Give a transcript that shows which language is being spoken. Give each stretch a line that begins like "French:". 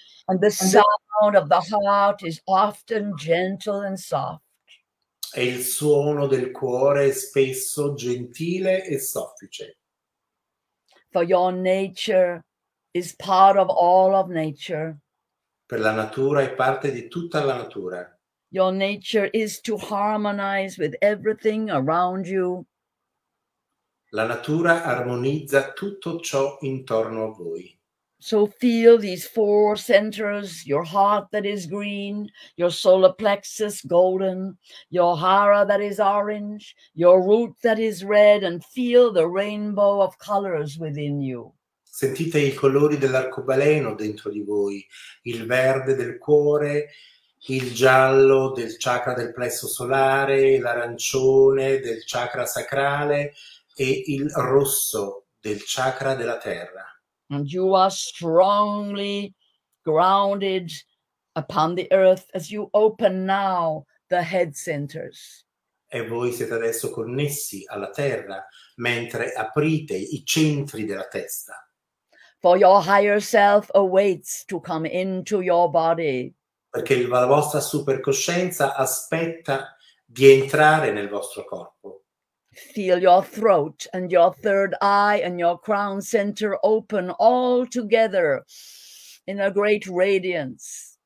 English: And the sound of the heart is often gentle and soft.
Italian: E il suono del cuore è spesso gentile e soffice.
English: For your nature is part of all of nature.
Italian: Per la natura è parte di tutta la natura.
English: Your nature is to harmonize with everything around you.
Italian: La natura armonizza tutto ciò intorno a voi.
English: So feel these four centers, your heart that is green, your solar plexus golden, your hara that is orange, your root that is red, and feel the rainbow of colors within you.
Italian: Sentite i colori dell'arcobaleno dentro di voi, il verde del cuore, il giallo del chakra del plesso solare, l'arancione del chakra sacrale e il rosso del chakra della terra.
English: And you are strongly grounded upon the earth as you open now the head centers.
Italian: E voi siete adesso connessi alla terra mentre aprite i centri della testa.
English: for your higher self awaits to come into your body.
Italian: Perché la vostra supercoscienza aspetta di entrare nel vostro corpo.
English: Feel your throat and your third eye and your crown center open all together in a great radiance.